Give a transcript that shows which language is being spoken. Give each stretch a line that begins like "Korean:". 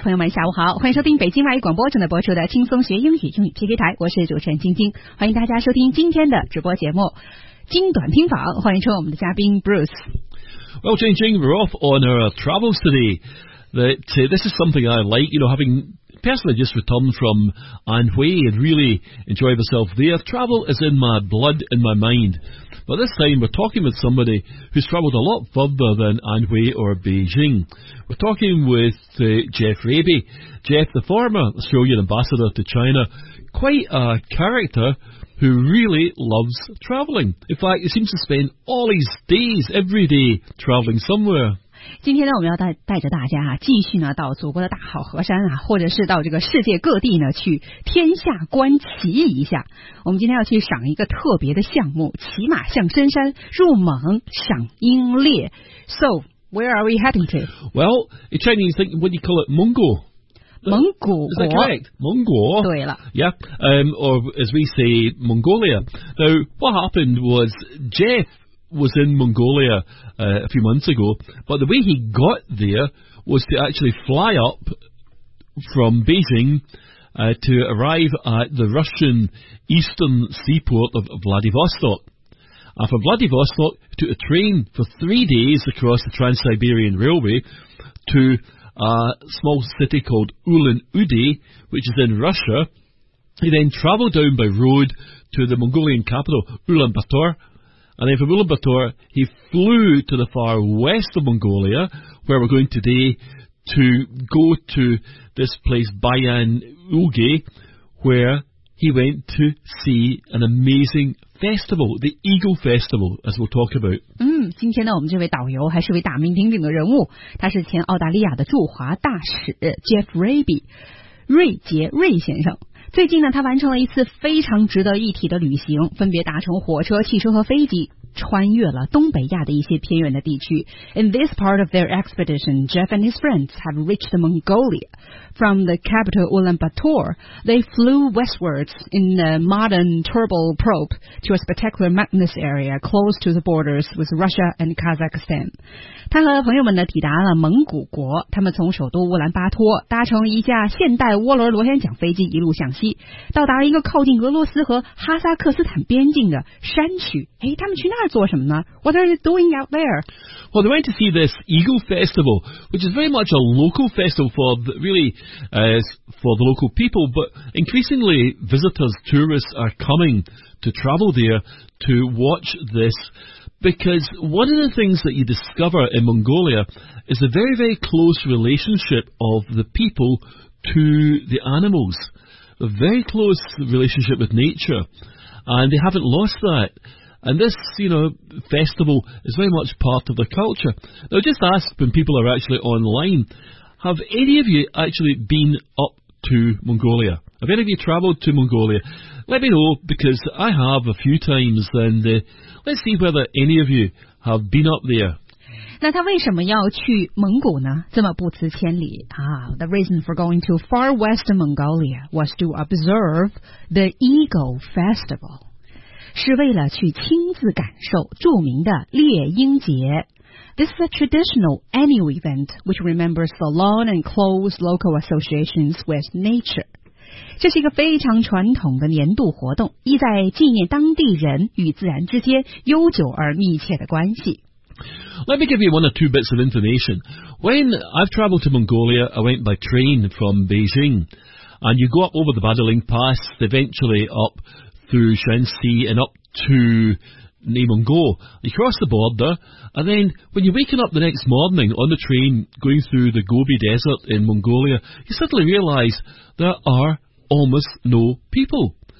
Chinese: 朋友们下午好，欢迎收听北京外语广播正在播出的轻松学英语英语 PK 台，我是主持人晶晶，欢迎大家收听今天的直播节目精短拼访，欢迎收我们的嘉宾 Bruce。
English: Well, Jingjing, we're off on our travels today. This is something I like, you know, havingPersonally, I just returned from Anhui and really enjoy myself there. Travel is in my blood, in my mind. But this time, we're talking with somebody who's travelled a lot further than Anhui or Beijing. We're talking with Jeff Raby. Jeff, the former Australian ambassador to China, quite a character who really loves travelling. In fact, he seems to spend all his days, every day, travelling somewhere.
Chinese: 今天呢，我们要带着大家啊，继续呢到祖国的大好河山啊，或者是到这个世界各地呢去天下观奇一下。我们今天要去赏一个特别的项目，骑马象深山，入蒙赏鹰猎。
English: So where are we heading to? Well, in Chinese, what do you call it? Mongol.
Chinese: 蒙古国。
English: Is that correct? 蒙古。
Chinese: 对了。
English: Yeah. Or as we say, Mongolia. Now, what happened was Jeff was in Mongolia a few months ago, but the way he got there was to actually fly up from Beijing to arrive at the Russian eastern seaport of Vladivostok. And from Vladivostok, he took a train for 3 days across the Trans-Siberian Railway to a small city called Ulan-Ude, which is in Russia. He then travelled down by road to the Mongolian capital, Ulaanbaatar,And then from Ulaanbaatar, he flew to the far west of Mongolia, where we're going today, to go to this place, Bayan Ulge, where he went to see an amazing festival, the Eagle Festival, as we'll talk about.
Chinese: 今天呢，我们这位导游还是位大名鼎鼎的人物，他是前澳大利亚的驻华大使 Jeff Raby, 瑞杰瑞先生。最近呢，他完成了一次非常值得一提的旅行，分别搭乘火车、汽车和飞机，穿越了东北亚的一些偏远的地区。
English: In this part of their expedition, Jeff and his friends have reached Mongolia. From the capital Ulaanbaatar, they flew westwards in a modern turboprop to a spectacular mountainous area close to the borders with Russia and Kazakhstan.
Chinese: 他和朋友们呢抵达了蒙古国，他们从首都乌兰巴托搭乘一架现代涡轮螺旋桨飞机一路向西，到达了一个靠近俄罗斯和哈萨克斯坦边境的山区。哎，他们去那儿做什么呢？
English: What are they doing out there? Well, they went to see this Eagle Festival, which is very much a local festival for the local people, but increasingly visitors, tourists are coming to travel there to watch this. Because one of the things that you discover in Mongolia is a very, very close relationship of the people to the animals. A very close relationship with nature. And they haven't lost that. And this, you know, festival is very much part of the culture. Now, just ask when people are actually online, have any of you actually been up to Mongolia? Have any of you travelled to Mongolia? Let me know, because I have a few times andLet's see whether any of you have been up there.
Chinese: 那他为什么要去蒙古呢？这么不辞千里啊
English: ！The reason for going to far west Mongolia was to observe the Eagle Festival.
Chinese: 是为了去亲自感受著名的猎鹰节。
English: This is a traditional annual event which remembers the long and close local associations with nature.
Chinese: 这是一个非常传统的年度活动，意在纪念当地人与自然之间悠久而密切的关系。
English: Let me give you one or two bits of information. When I've traveled to Mongolia, I went by train from Beijing. And you go up over the Badaling Pass, eventually up through Shanxi and up to Neimongo. You cross the border, and then when you're waking up the next morning on the train going through the Gobi Desert in Mongolia, you suddenly realize there are almost no people.